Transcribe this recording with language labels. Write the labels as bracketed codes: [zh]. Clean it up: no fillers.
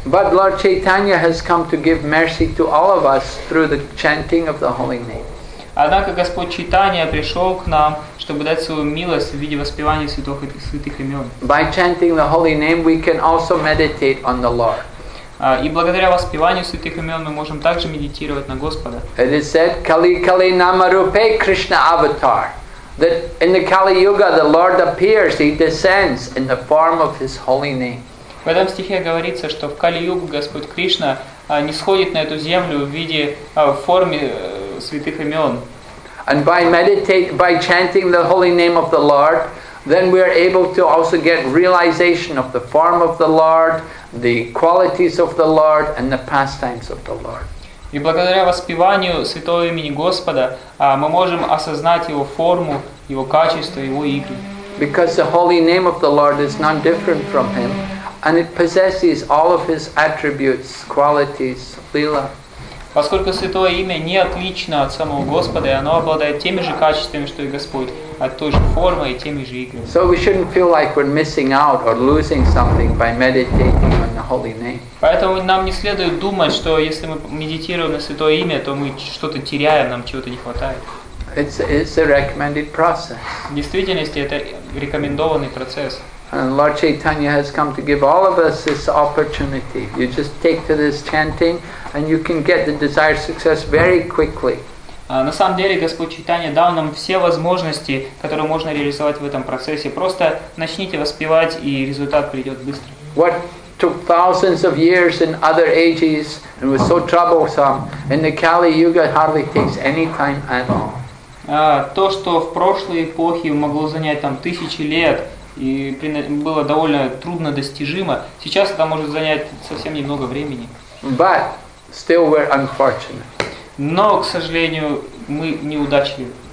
[en] But Lord Chaitanya has come to give mercy to all of us through the chanting of the holy name. [ru] Однако Господь Чайтанья пришел к нам, чтобы дать свою милость в виде воспевания святых имен. [en] By chanting the holy name, we can also meditate on the Lord. [ru] И благодаря воспеванию святых имен мы можем также медитировать на Господа. [en] It is said, [sa] Kali Kali Namarupe Krishna Avatar. [en] That in the Kali Yuga the Lord appears, He descends in the form of His holy name. [ru] В этом стихе говорится, что в Кали Югу Господь Кришна нисходит на эту землю в виде форме святых имен. [en] And by chanting the holy name of the Lord, then we are able to also get realization of the form of the Lord, the qualities of the Lord, and the pastimes of the Lord. [ru] И благодаря воспеванию святого имени Господа мы можем осознать его форму, его качество, его игры. [en] Because the holy name of the Lord is none different from him, and it possesses all of his attributes, qualities, lila. [ru] Поскольку святое имя не отлично от самого Господа, и оно обладает теми же качествами, что и Господь, от той же формы и теми же играми. [en] So we shouldn't feel like we're missing out or losing something by meditating on the holy name. [ru] Поэтому нам не следует думать, что если мы медитируем на святое имя, то мы что-то теряем, нам чего-то не хватает. [en] It's a recommended process. [ru] В действительности это рекомендованный процесс. [en] And Lord Chaitanya has come to give all of us this opportunity. You just take to this chanting and you can get the desired success very quickly. [ru] На самом деле Господь Чайтанья дал нам все возможности, которые можно реализовать в этом процессе. Просто начните воспевать, и результат придет быстро. [en] What took thousands of years in other ages and was so troublesome, in the Kali Yuga hardly takes any time at all. [ru] То, что в прошлой эпохе могло занять там тысячи лет, и было довольно трудно достижимо, сейчас это может занять совсем немного времени. [en] But still we're unfortunate. [ru] Но, к сожалению, мы неудачливы.